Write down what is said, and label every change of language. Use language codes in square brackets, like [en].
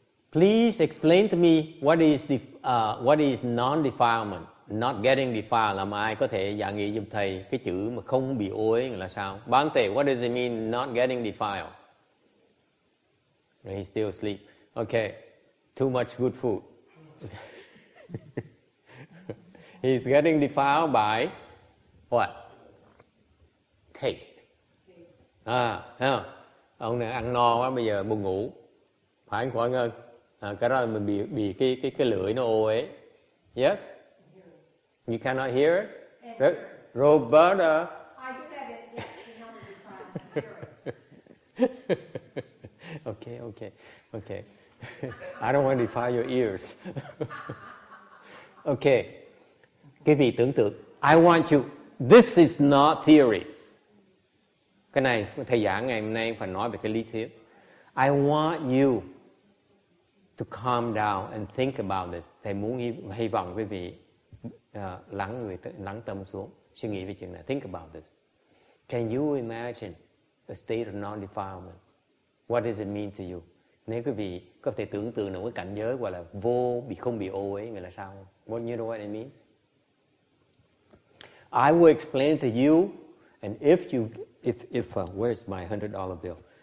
[en] Please explain to me what is non-defilement, not getting defiled. [vi] Làm ai có thể giảng nghĩa giúp thầy cái chữ mà không bị ô uế là sao? [en] Bán tề, what does it mean not getting defiled? He's still asleep. Okay, too much good food. He's getting defiled by what? Taste. [vi] À, thấy không? Ông này ăn no quá bây giờ buồn ngủ. Phải không khỏi ngơn? À, cái đó là mình bị cái lưỡi nó ô ấy. [en] Yes? You cannot hear it? Yes. Roberta? I said it, yes, you know what you're trying to hear. Okay, okay, okay. I don't want to defy your ears. [vi] Okay. Quý vị tưởng tượng. [en] I want you. This is not theory. [vi] Cái này, thầy giảng ngày hôm nay phải nói về cái lý thuyết. [en] I want you to calm down and think about this. [vi] Thầy muốn hy vọng quý vị lắng tâm xuống, suy nghĩ về chuyện này. [en] Think about this. Can you imagine a state of non-defilement? What does it mean to you? [vi] Nếu quý vị có thể tưởng tượng được cái cảnh giới gọi là vô bị không bị ô uế, nghĩa là sao? [en] What you know what it means? I will explain it to you, and where's my $100 bill?